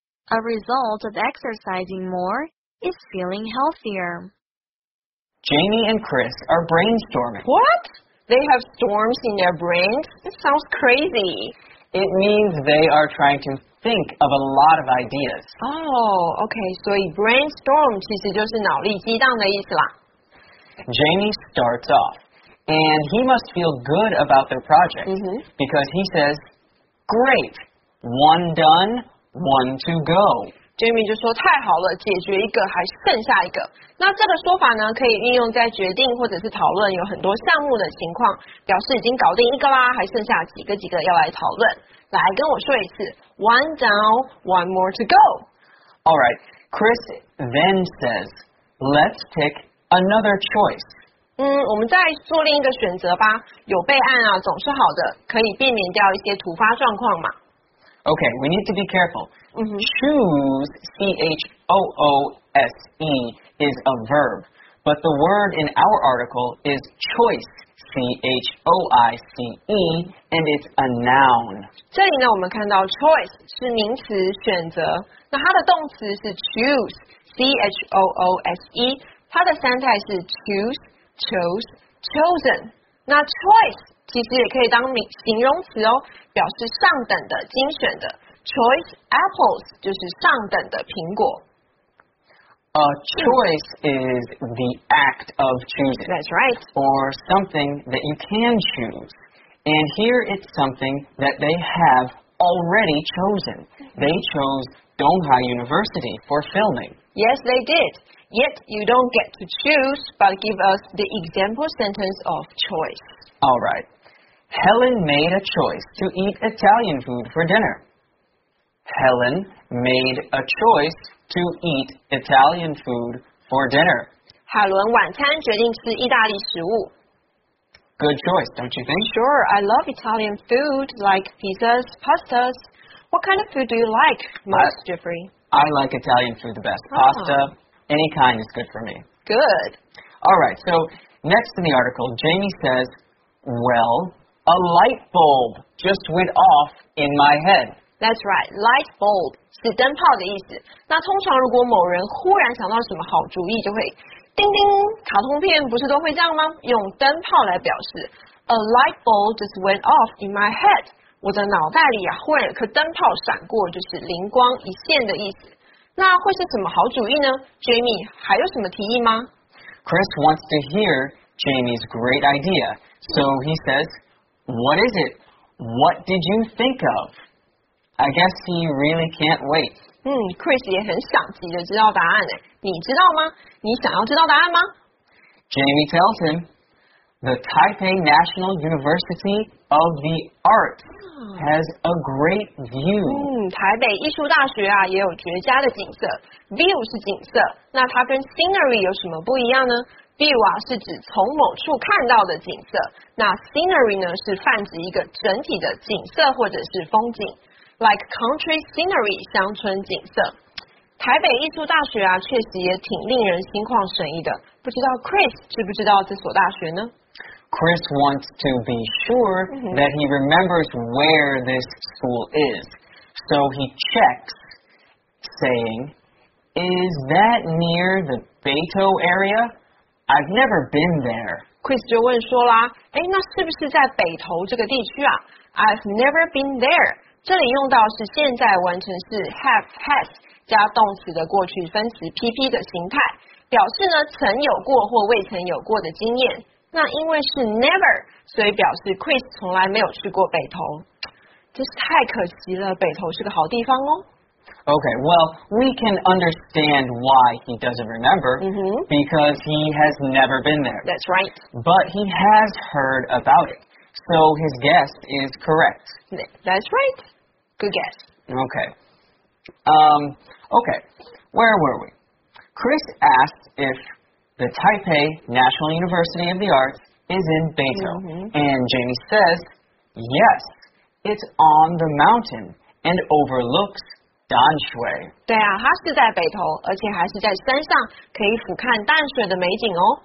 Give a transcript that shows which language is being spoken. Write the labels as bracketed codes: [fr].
[en] A result of exercising more is feeling healthier. Jamie and Chris are brainstorming. What? They have storms in their brains? This sounds crazy. It means they are trying to think of a lot of ideas. Oh, okay. [zh] So brainstorm 其实就是脑力激荡的意思啦。 [en] Jamie starts off, and he must feel good about their project, because he says, great, one done, one to go. [zh] Jamie 就说太好了，解决一个还剩下一个。那这个说法呢，可以运用在决定或者是讨论有很多项目的情况，表示已经搞定一个啦，还剩下几个要来讨论。来跟我说一次， [en] one down, one more to go. All right, Chris then says, let's pick another choice. [zh] 我们再做另一个选择吧。有备案啊，总是好的，可以避免掉一些突发状况嘛。 [en] Okay, we need to be careful. Choose, C-H-O-O-S-E, is a verb. But the word in our article is choice, C-H-O-I-C-E, and it's a noun. [zh] 这里呢，我们看到 choice 是名词选择，那它的动词是 choose, C-H-O-O-S-E,它的三态是 choose, chose, chosen。那 choice 其实也可以当形容词哦，表示上等的、精选的。 [en] Choice apples [zh] 就是上等的苹果。 [en] A choice is the act of choosing. That's right. Or something that you can choose. And here it's something that they have already chosen. They chose Donghai University for filming. Yes, they did. Yet you don't get to choose, but give us the example sentence of choice. All right. Helen made a choice to eat Italian food for dinner. Helen made a choice to eat Italian food for dinner. [zh] 海伦晚餐决定吃意大利食物。 [en] Good choice, don't you think? Sure, I love Italian food, like pizzas, pastas. What kind of food do you like most, Jeffrey? I like Italian food the best. Pasta, any kind is good for me. Good. All right, so next in the article, Jamie says, well, a light bulb just went off in my head. That's right, [zh] light bulb 是灯泡的意思。那通常如果某人忽然想到什么好主意就会叮叮，卡通片不是都会这样吗？用灯泡来表示。 A light bulb just went off in my head. 我的脑袋里啊，忽然有颗灯泡闪过，就是灵光一现的意思。那会是什么好主意呢？Jamie, 还有什么提议吗？ [en] Chris wants to hear Jamie's great idea. So he says, what is it? What did you think of? I guess he really can't wait. [zh] Chris 也很想急着知道答案耶。你知道吗？你想要知道答案吗？ [en] Jamie tells him, the Taipei National University of the Arts has a great view. [zh] 台北艺术大学啊，也有绝佳的景色。View 是景色，那它跟 scenery 有什么不一样呢？ View 啊，是指从某处看到的景色。那 scenery 呢，是泛指一个整体的景色或者是风景。 [en] Like country scenery, [zh] 乡村景色。台北艺术大学啊，确实也挺令人心旷神怡的。不知道 Chris 知不知道这所大学呢？ [en] Chris wants to be sure that he remembers where this school is. So he checks, saying, is that near the Beito area? I've never been there. [zh] Chris 就问说啦，诶，那是不是在北投这个地区啊？ [en] I've never been there. [zh] 这里用到是现在完成式 have has 加动词的过去分词 PP 的形态，表示呢曾有过或未曾有过的经验。那因为是 never， 所以表示 Chris 从来没有去过北投。真是太可惜了，北投是个好地方哦。 [en] Okay, well, we can understand why he doesn't remember, because he has never been there. That's right. But he has heard about it. So his guess is correct. That's right. Good guess. Okay. Okay. Where were we? Chris asked if the Taipei National University of the Arts is in Beito. And Jamie says, yes, it's on the mountain and overlooks淡水。 [zh] 对啊，它是在北投，而且还是在山上，可以俯瞰淡水的美景哦。